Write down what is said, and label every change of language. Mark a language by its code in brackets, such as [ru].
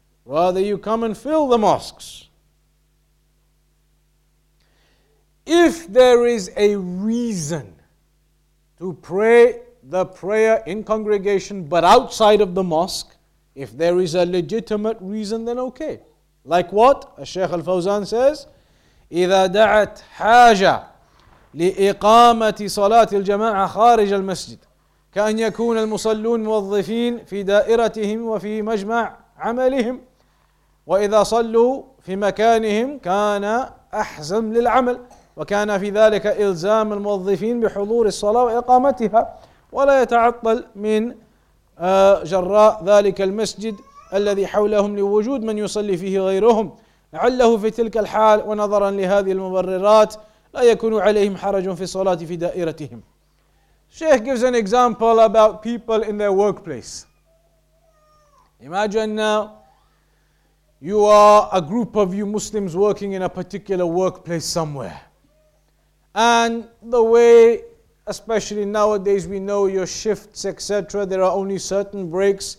[en] Rather, you come and fill the mosques. If there is a reason to pray the prayer in congregation but outside of the mosque, if there is a legitimate reason, then okay. Like what? Sheikh Al-Fawzan says, [ar] إِذَا دَعَتْ حَاجَةً لِإِقَامَةِ صَلَاةِ الْجَمَاعَةِ خَارِجَ الْمَسْجِدِ كَأَنْ يَكُونَ الْمُصَلُّونَ مُوَظِّفِينَ فِي دَائِرَتِهِمْ وَفِي مَجْمَعَ عَمَلِهِمْ وَإِذَا صَلُّوا فِي مَكَانِهِمْ كَانَ أَحْزَمْ لِلْعَمَلِ وكان في ذلك إلزام الموظفين بحضور الصلاة وإقامتها ولا يتعطل من جراء ذلك المسجد الذي حولهم لوجود من يصلي فيه غيرهم لعله في تلك الحال ونظرا لهذه المبررات لا يكون عليهم حرج في الصلاة في دائرتهم. [en] Sheikh gives an example about people in their workplace. Imagine now you are a group of you Muslims working in a particular workplace somewhere. And the way, especially nowadays, we know your shifts, etc., there are only certain breaks.